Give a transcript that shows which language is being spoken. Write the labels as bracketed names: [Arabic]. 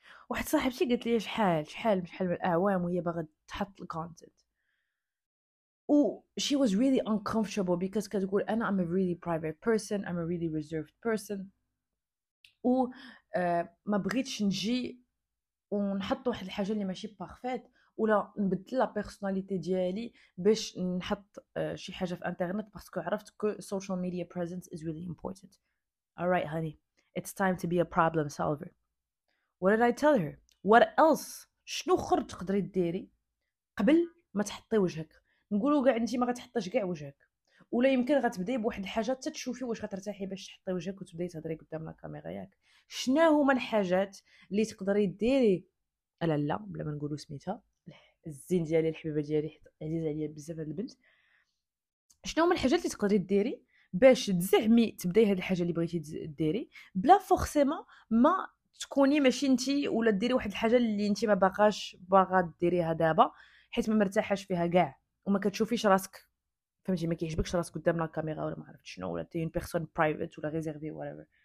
[Arabic] واحد صاحبتي قالت لي شحال من الاعوام وهي باغا تحط الكونتنت، و [English] she was really uncomfortable because [Arabic] كتقول انا [English] I'm a really private person, I'm a really reserved person, [Arabic] و ما بغيتش نجي ونحط واحد الحاجه اللي ماشي بارفيت ولا نبدل لا بيرسوناليتي ديالي باش نحط شي حاجه في انترنت، باسكو عرفت كو [English] Social media presence is really important. alright honey it's time to be a problem solver. what did I tell her? what else [Arabic] شنو اخر تقدري ديري قبل ما تحطي وجهك؟ نقولوا كاع انت ما غتحطيش كاع وجهك، ولا يمكن غتبداي بواحد الحاجات حتى تشوفي واش غترتاحي باش تحطي وجهك وتبداي تهضري قدام الكاميرا ياك. شنو هما الحاجات اللي تقدري ديري؟ لا بلا ما نقولوا سميتها الزين ديالي الحبيبه ديالي عزيزه عليا بزاف هاد البنت، شنو هما الحاجات اللي تقدري ديري باش تزعمي تبداي هاد الحاجه اللي بغيتي ديري بلا فورسيمون ما تكوني ماشي انت ولا ديري واحد الحاجه اللي انت ما باقاش باغا ديريها دابا حيت ما مرتاحاش فيها كاع وما كتشوفيش راسك، فهمتي ما كيعجبكش راسك قدام لا كاميرا ولا ما عرفت شنو، ولا [French] تي اون بيرسون برايفت [Arabic] ولا ريزيرفي واتيفر.